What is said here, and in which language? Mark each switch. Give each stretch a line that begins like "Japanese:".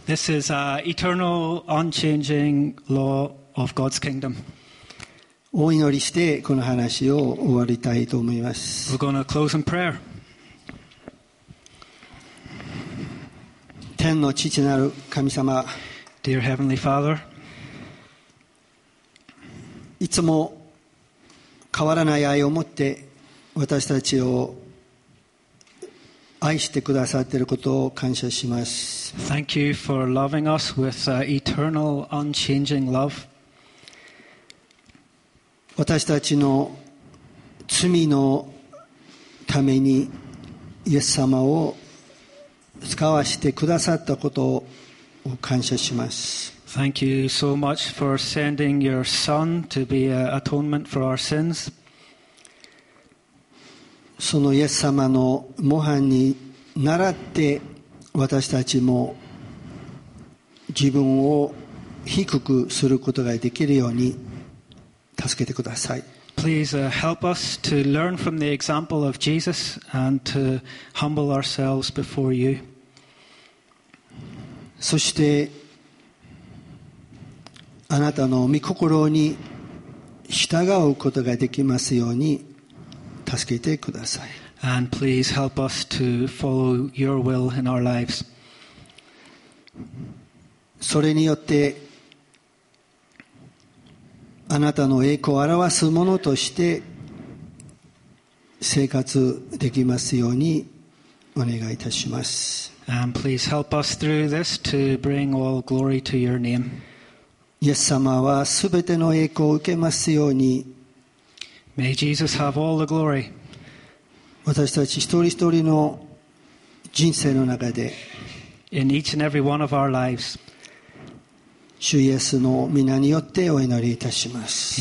English: This is an eternal, unchanging law of God's kingdom.
Japanese: お祈りしてこの話を終わりたいと思います。
English: We're going to close in prayer.
Japanese: 天の父なる神様、
English: Dear Heavenly Father,
Japanese: いつも変わらない愛を持って私たちを愛してくださっていることを感謝します。
English: Thank you for loving us with eternal, unchanging love.
Japanese: 私たちの罪のためにイエス様を使わせてくださったことを感謝します。
English: Thank you so much for sending your son to be an atonement for our sins.
Japanese: そのイエス様の模範に習って私たちも自分を低くすることができるように助けてください。
English: Please help us to learn from the example of Jesus and to humble ourselves before you.
Japanese: そしてあなたの御心に従うことができますように助けてください。
English: And please help us to follow your will in our lives.
Japanese: それによってあなたの栄光を表すものとして生活できますようにお願いいたします。
English: And please help us through this to bring all glory to your name.
Japanese: イエス様はすべての栄光を受けますように。
English: May Jesus have all the glory.
Japanese: 私たち一人一人の人生の中で。
English: In each and every one of our lives.
Japanese: 主イエスの御名によってお祈りいたします。